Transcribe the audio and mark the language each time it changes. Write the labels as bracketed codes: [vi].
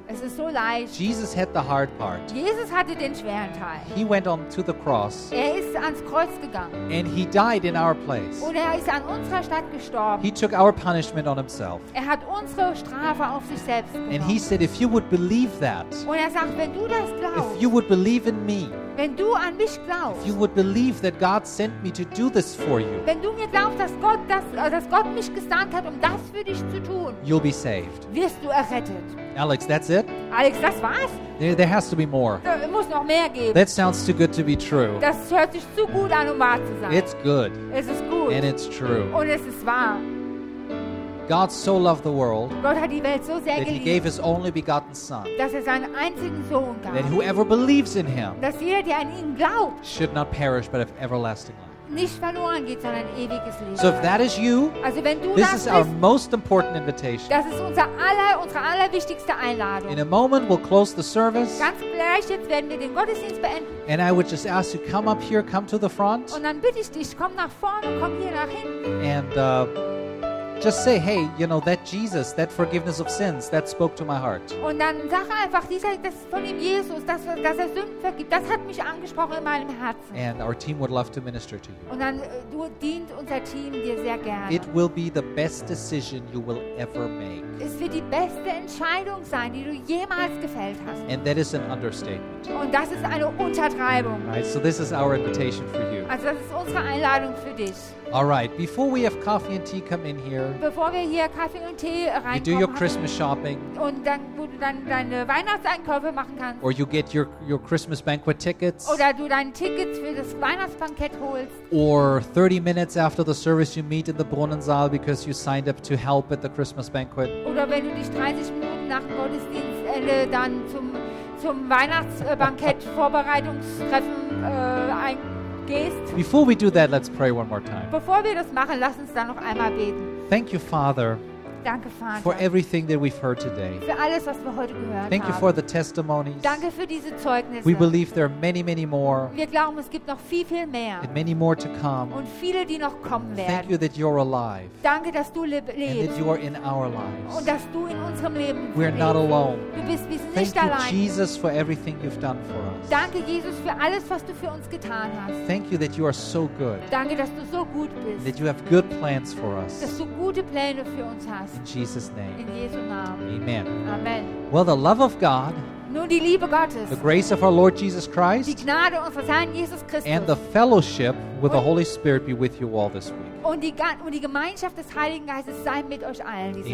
[de] Es ist so leicht. [en] Jesus had the hard part. [de] Jesus hatte den schweren Teil. [en] He went on to the cross. [de] Er ist ans Kreuz gegangen. [en] And he died in our place. [de] Und er ist an unserer Stadt gestorben. [en] He took our punishment on himself. [de] Er hat unsere Strafe auf sich selbst genommen. [en] And he said, if you would believe that. [de] Und er sagt, wenn du das glaubst. [en] If you would believe in me. [de] Wenn du an mich glaubst. [en] If you would believe that God sent me to do this for you. [de] Wenn du mir glaubst, dass Gott mich gesandt hat, um das für dich zu tun. [en] You'll be saved. [de] Wirst du errettet. [en] Alex, that's it? [de] Alex, das war's? [en] There has to be more. [de] Da muss noch mehr geben. [en] That sounds too good to be true. [de] Das hört sich zu gut an, um wahr zu sein. [en] It's good. [de] Es ist gut. [en] And it's true. [de] Und es ist wahr. [en] God so loved the world [de] Gott hat die Welt so sehr [en] that [de] geliebt, [en] he gave his only begotten son [de] dass er seinen einzigen Sohn gab, [en] that whoever believes in him [de] dass jeder, der an ihn glaubt, [en] should not perish but have everlasting life. [de] Nicht verloren geht, sondern ewiges Leben. [en] So if that is you, [de] also wenn du [en] this [de] das [en] is [de] bist, [en] our most important invitation. [de] Das ist unsere allerwichtigste Einladung. [en] In a moment we'll close the service. [de] Ganz gleich jetzt werden wir den Gottesdienst beenden. [en] And I would just ask you, come up here, come to the front. Und dann bitte ich dich, komm nach vorne, komm hier nach hinten. And Just say, hey, you know, that Jesus, that forgiveness of sins, that spoke to my heart. [de] Und dann sag einfach, dieser, das von ihm Jesus, dass er Sünden vergibt, das hat mich angesprochen in meinem Herzen. [en] And our team would love to minister to you. [de] Und dann du dient unser Team dir sehr gerne. [en] It will be the best decision you will ever make. [de] Es wird die beste Entscheidung sein, die du jemals gefällt hast. [en] And that is an understatement. [de] Und das ist eine Untertreibung. [en] Right, so this is our invitation for you. [de] Also das ist unsere Einladung für dich. [en] All right, before we have coffee and tea come in here, [de] bevor wir hier Kaffee und Tee reinkommen, [en] you do your Christmas shopping, [de] und dann, wo du dann deine Weihnachtseinkäufe machen kannst, [en] or you get your Christmas banquet tickets, [de] oder du deine Tickets für das Weihnachtsbankett holst, [en] or 30 minutes after the service you meet in the Brunnensaal because you signed up to help at the Christmas banquet, [de] oder wenn du dich 30 Minuten nach dem Gottesdienstende dann zum Weihnachtsbankett Vorbereitungstreffen einkaufst. [en] Before we do that, let's pray one more time. [de] Bevor wir das machen, lass uns dann noch einmal beten. [en] Thank you, Father. [de] Danke, Vater, [en] for everything that we've heard today. [de] Für alles, was wir heute gehört haben. [en] Thank you for the testimonies. [de] Danke für diese Zeugnisse. [en] We believe there are many, many more. [de] Wir glauben, es gibt noch viel, viel mehr. [en] And many more to come. [de] Und viele, die noch kommen werden. [en] Thank you that you're alive. [de] Danke, dass du lebst. [en] And that you are in our lives. [de] Und dass du in unserem Leben bist. [en] We're not alone. [de] Du bist [en] Thank [de] nicht [en] you, [de] allein. [en] Jesus, for everything you've done for us. [de] Danke, Jesus, für alles, was du für uns getan hast. [en] Thank you that you are so good. [de] Danke, dass du so gut bist. [en] And that you have good plans for us. [de] Dass du gute Pläne für uns hast. [en] In Jesus' name. [de] In Jesu Namen. [en] Amen. [de] Amen. [en] Well, the love of God, [de] nun die Liebe Gottes, [en] the grace of our Lord Jesus Christ, [de] die Gnade unseres Herrn Jesus Christus, [en] and the fellowship with the Holy Spirit be with you all this week. [de] Und die Gemeinschaft des Heiligen Geistes sei mit euch allen diese